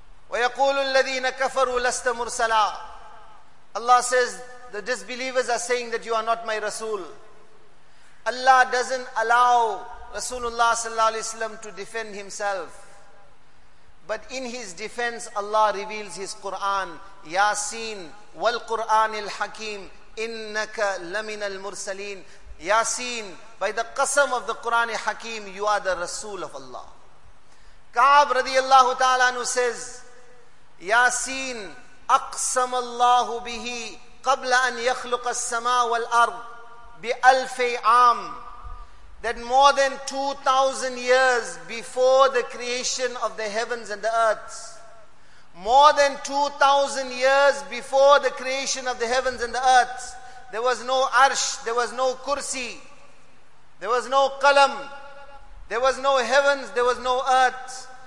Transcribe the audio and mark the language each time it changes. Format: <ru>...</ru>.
<ar>وَيَقُولُ الَّذِينَ كَفَرُوا لَسْتَ مُرْسَلًا.</ar> <en>Allah says, the disbelievers are saying that you are not my Rasul. Allah doesn't allow Rasulullah sallallahu alayhi wa sallam to defend himself. But in his defense, Allah reveals his Quran.</en> <ar>Yasin, وَالْقُرْآنِ الْحَكِيمِ إِنَّكَ لَمِنَ الْمُرْسَلِينَ.</ar> <en>Yasin, by the qasam of the Quran al-Hakim, you are the Rasul of Allah. Ka'ab radiallahu ta'ala anhu says,</en> <ar>Yasin, أقسم الله به قبل أن يخلق السماء والأرض بألف عام.</ar> <en>That more than 2,000 years before the creation of the heavens and the earth, more than 2,000 years before the creation of the heavens and the earth, there was no arsh, there was no kursi, there was no qalam, there was no heavens, there was no earth.</en>